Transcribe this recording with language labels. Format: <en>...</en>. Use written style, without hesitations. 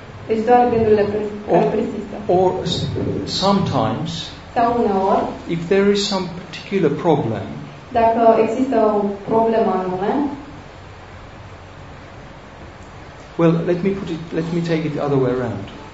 <ro>Deci doar gândurile care persistă.</ro> <en>Or sometimes,</en> <ro>sau uneori,</ro> <en>if there is some particular problem,</en> <ro>dacă există o problemă anume,</ro> <en>well, let me take it the other way around.</en>